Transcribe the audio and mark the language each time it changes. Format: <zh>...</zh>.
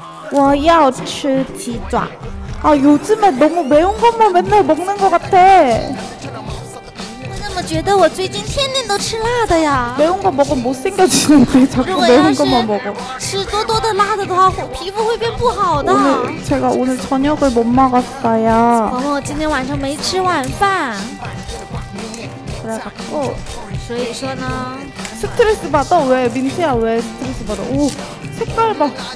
<zh>我要吃鸡爪啊</zh> <ko>요즘에너무매운것만맨날먹는것같아</ko> <zh>我怎么觉得我最近天天都吃辣的呀</zh> <ko>매운거먹으면못생겨지는데자꾸매운것만먹어</ko> <zh>吃多多的辣的的话皮肤会变不好的</zh> <ko>오늘제가오늘저녁을못먹었어요</ko> <zh>그럼我今天晚上没吃晚饭</zh> <ko>그래갖고</ko> <zh>所以说呢</zh> <ko>스트레스받아왜민트야왜스트레스받아오색깔봐</ko>